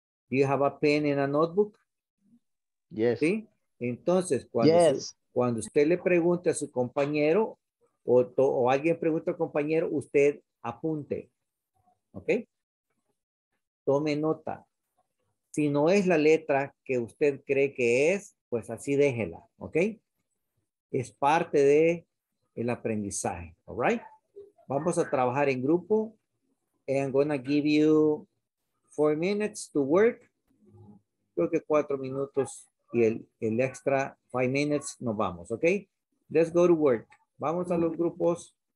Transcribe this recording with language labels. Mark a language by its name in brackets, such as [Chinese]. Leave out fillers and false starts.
[English] Do you have a pen and a notebook? Yes. [Spanish] ¿Sí? Entonces, cuando, yes. Cuando usted le pregunte a su compañero o alguien pregunta al compañero, usted apunte. ¿Ok? Tome nota. Si no es la letra que usted cree que es, pues así déjela. ¿Ok? Es parte de el aprendizaje. [English] All right? [Spanish] Vamos a trabajar en grupo. [English] I'm going to give you 4 minutes to work. [Spanish] Creo que 4 minutos y el extra [English] 5 minutes [Spanish] nos vamos. ¿Ok? [English] Let's go to work. [Spanish] Vamos a los grupos.